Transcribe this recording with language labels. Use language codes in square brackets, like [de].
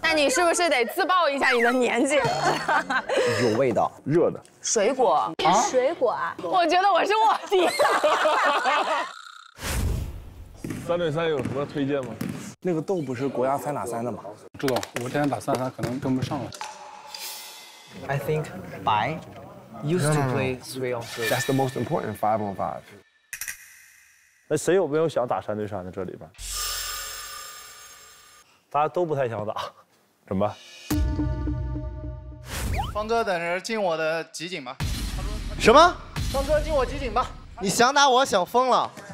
[zh] 那你是不是得自曝一下你的年纪？有味道，热的水果啊，水果啊！我觉得我是卧底。三对三有什么推荐吗？那个豆不是国家三打三的吗？朱总，我今天打三打三可能跟不上了。 [en] I think 白 used to play three on three. That's the most important five on five. [zh] 那谁有没有想打三对三的这里边？大家都不太想打，怎么办？方哥等着进我的集锦吧。什么？方哥进我集锦吧。你想打我想疯了。